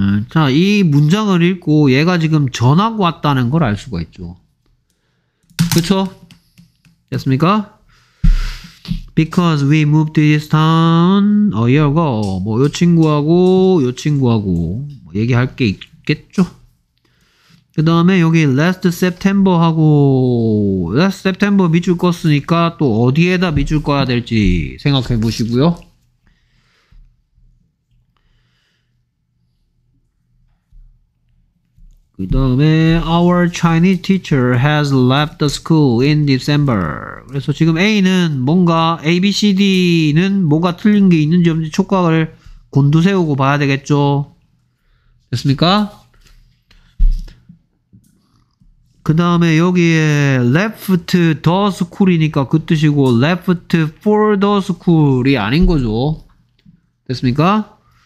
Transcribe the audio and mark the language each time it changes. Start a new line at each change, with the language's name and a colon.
Korean: 자, 이 문장을 읽고 얘가 지금 전학 왔다는 걸 알 수가 있죠. 그쵸? 됐습니까?
English: Because we moved to this town a year ago.
Korean: 뭐, 요 친구하고, 요 친구하고, 뭐 얘기할 게 있겠죠? 그 다음에 여기 last September 하고 last September 밑줄 껐으니까 또 어디에다 밑줄 꺼야 될지 생각해 보시고요. 그 다음에
English: our Chinese teacher has left the school in December.
Korean: 그래서 지금 A는 뭔가 A, B, C, D는 뭐가 틀린 게 있는지 없는지 촉각을 곤두세우고 봐야 되겠죠. 됐습니까? 그 다음에 여기에 left the school이니까 그 뜻이고 left for the school이 아닌 거죠. 됐습니까?